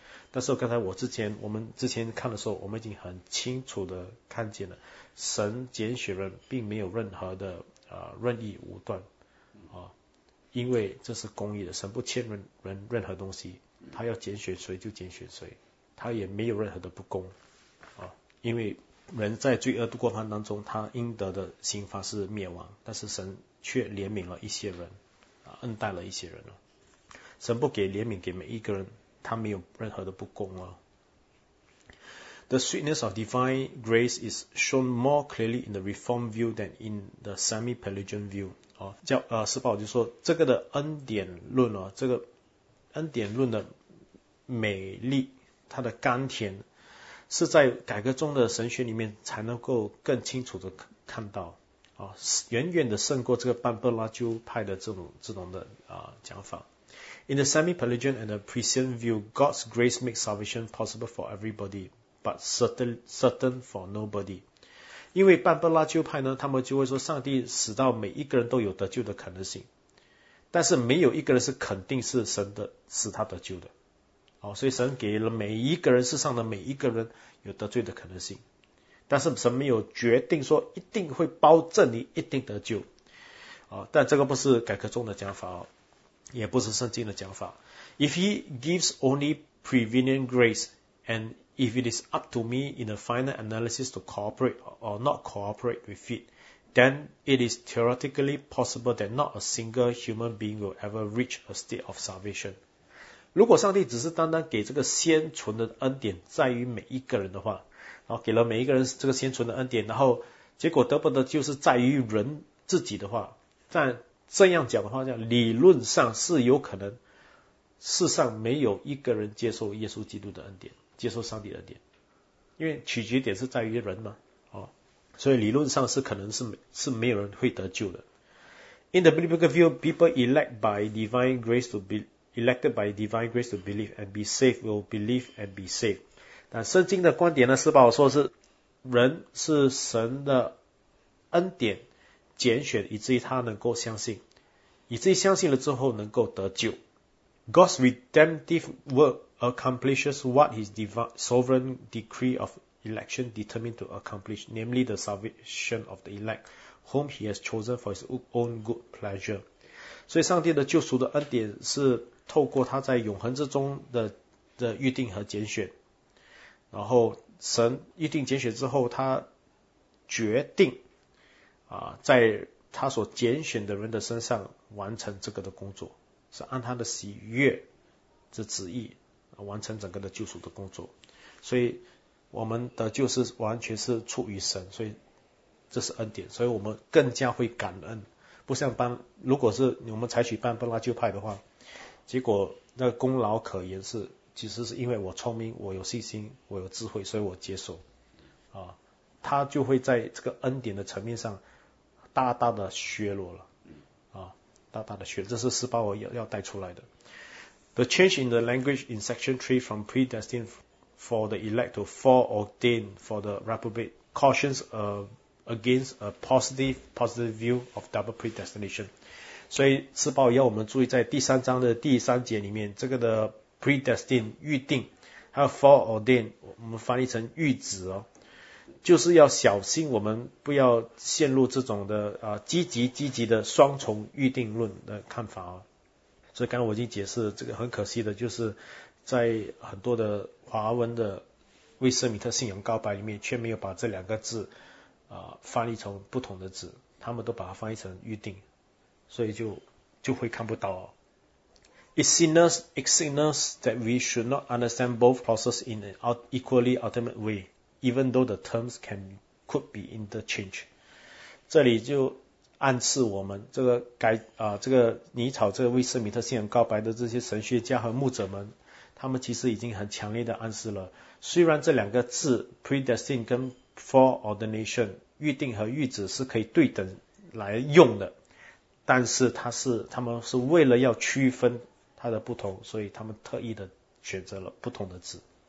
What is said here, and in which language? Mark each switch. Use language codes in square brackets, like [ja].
[zh] 但是刚才我们之前看的时候，我们已经很清楚的看见了，神拣选人并没有任何的任意武断，啊，因为这是公义的，神不欠人任何东西，他要拣选谁就拣选谁，他也没有任何的不公，啊，因为人在罪恶的过程当中，他应得的刑罚是灭亡，但是神却怜悯了一些人，啊，恩待了一些人了。神不给怜悯给每一个人，他没有任何的不公啊。 [en] The sweetness of divine grace is shown more clearly in the Reformed view than in the semi-Pelagian view。 [zh] 哦，施保就说这个的恩典论哦，这个恩典论的美丽，它的甘甜，是在改革中的神学里面才能够更清楚的看到，哦，远远的胜过这个班波拉鸠派的这种的讲法。 [en] In the semi-Pelagian and the Priscian view, God's grace makes salvation possible for everybody, but certain for nobody. [zh] 因为半波拉鸠派呢，他们就会说上帝使到每一个人都有得救的可能性，但是没有一个人是肯定是神的使他得救的，哦，所以神给了每一个人，世上的每一个人有得罪的可能性，但是神没有决定说一定会包证你一定得救，哦，但这个不是改革中的讲法，哦，也不是圣经的讲法。 [en] If he gives only prevenient grace, and if it is up to me in the final analysis to cooperate or not cooperate with it, then it is theoretically possible that not a single human being will ever reach a state of salvation. [zh] 如果上帝只是单单给这个先存的恩典在于每一个人的话，然后给了每一个人这个先存的恩典，然后结果得不得就是在于人自己的话，但这样讲的话，这样理论上是有可能世上没有一个人接受耶稣基督的恩典，接受上帝的恩典，因为取决点是在于人嘛，哦，所以理论上是可能是没有人会得救的。 [en] In the biblical view, people elect by divine grace to elected by divine grace to believe and be saved will believe and be saved. [zh] 但圣经的观点呢，是把我说是人是神的恩典拣选，以至于他能够相信，以至于相信了之后能够得救。 [en] God's redemptive work accomplishes what His divine sovereign decree of election determined to accomplish, namely the salvation of the elect, whom He has chosen for His own good pleasure. [zh] 所以，上帝的救赎的恩典是透过他在永恒之中的预定和拣选，然后神预定拣选之后，他决定在他所拣选的人的身上完成这个的工作，是按他的喜悦之旨意完成整个的救赎的工作。所以我们的救是完全是出于神，所以这是恩典，所以我们更加会感恩。不像如果是我们采取半波拉鸠派的话，结果那个功劳可言，是其实是因为我聪明，我有信心，我有智慧，所以我接受啊，他就会在这个恩典的层面上大大的削弱了，大大的削弱，这是施巴我要带出来的。 [en] The change in the language in section 3 from predestined for the elect to foreordained for the reprobate cautions against a positive view of double predestination. [zh] 所以施巴我要我们注意在第三章的第三节里面，这个的 predestined 预定，还有 foreordained 我们翻译成预旨哦，就是要小心我们不要陷入这种的积极的双重预定论的看法哦。所以刚刚我已经解释，这个很可惜的，就是在很多的华文的威瑟米特信仰告白里面，却没有把这两个字翻译成不同的字，他们都把它翻译成预定，所以就会看不到哦。 [en] It signals that we should not understand both processes in an equally ultimate way. Even though the terms could be interchanged. [zh] 这里就暗示我们这个泥草这个威斯米特信仰告白的这些神学家和牧者们，他们其实已经很强烈的暗示了。虽然这两个字 predestine 跟 foreordination 预定和预旨是可以对等来用的，但是他们是为了要区分它的不同，所以他们特意的选择了不同的字。